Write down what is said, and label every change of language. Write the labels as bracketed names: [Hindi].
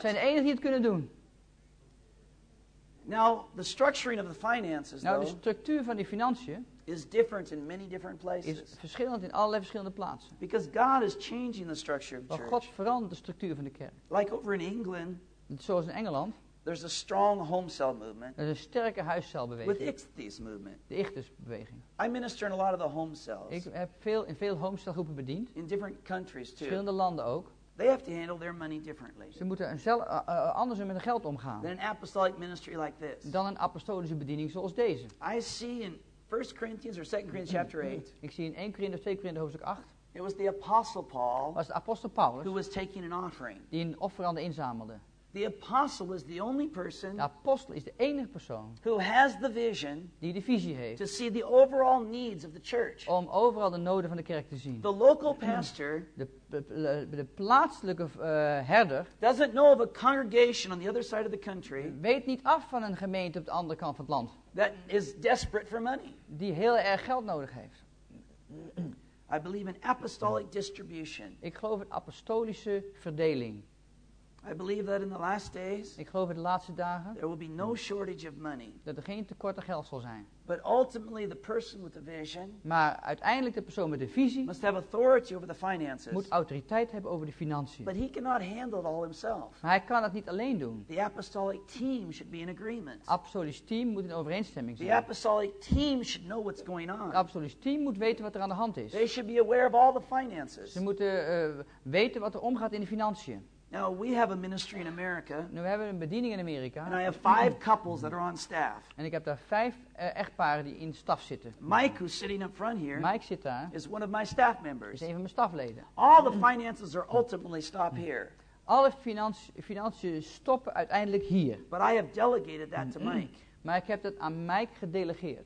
[Dutch] Zijn de enigen die het kunnen doen. [English] Now the structuring of the finances, [Dutch] nou, de structuur van die financiën [English] is different in many different places. [Dutch] Is verschillend in allerlei verschillende plaatsen. [English] Because God is changing the structure of the church. [Dutch] God verandert de structuur van de kerk. [English] Like over in England, [Dutch] zoals in Engeland, [English] there's a strong home cell movement. [Dutch] Er is een sterke huiscelbeweging. [English] With Ichthys movement. [Dutch] De Ichthys beweging. [English] I minister in a lot of the home cells. [Dutch] Ik heb veel in veel [English] home cell [Dutch] groepen bediend. [English] In different countries too. [Dutch] Verschillende landen ook. [English] They have to handle their money differently. [Dutch] Ze moeten anders met hun geld omgaan. [English] Than an apostolic ministry like this. [Dutch] Dan een apostolische bediening zoals deze. [English] I see in 1 Corinthians or 2 Corinthians chapter 8. [Dutch] Ik zie in 1 Korinthe of 2 Korinthe hoofdstuk 8. [English] It was the apostle Paul. [Dutch] Was de apostel Paulus. [English] Who was taking an offering. [Dutch] Die een offerande inzamelde. [English] The apostle is the only person. [Dutch] De apostel is de enige persoon. [English] Who has the vision. [Dutch] Die de visie heeft. [English] To see the overall needs of the church. [Dutch] Om overal de noden van de kerk te zien. [English] The local pastor. [Dutch] De plaatselijke herder. [English] Doesn't know of a congregation on the other side of the country. [Dutch] Weet niet af van een gemeente op de andere kant van het land. [English] That is desperate for money. [Dutch] Die heel erg geld nodig heeft. [English] I believe in apostolic distribution. [Dutch] Ik geloof in apostolische verdeling. [English] I believe that in the last days, [Dutch] ik geloof in de laatste dagen, [English] there will be no shortage of money. [Dutch] Dat er geen tekort aan geld zal zijn. [English] But ultimately the person with the vision, [Dutch] maar uiteindelijk de persoon met de visie, [English] must have authority over the finances. [Dutch] Moet autoriteit hebben over de financiën. [English] But he cannot handle it all himself. [Dutch] Maar hij kan het niet alleen doen. [English] The apostolic team should be in agreement. [Dutch] Apostolisch team moet in overeenstemming zijn. [English] The apostolic team should know what's going on. [Dutch] Het apostolisch team moet weten wat er aan de hand is. [English] They should be aware of all the finances. [Dutch] Ze moeten weten wat er omgaat in de financiën. [English] Now we have a ministry in America. [Dutch] Nu hebben we een bediening in Amerika. [English] And I have 5 couples that are on staff. [Dutch] En ik heb daar 5 echtparen die in staf zitten. [English] Mike, who's sitting up front here, [Dutch] Mike zit daar, [English] is one of my staff members. [Dutch] Is een van mijn stafleden. [English] All the finances are ultimately stop here. [Dutch] Alle financiën stoppen uiteindelijk hier. [English] But I have delegated that to Mike. [Dutch] Maar ik heb dat aan Mike gedelegeerd.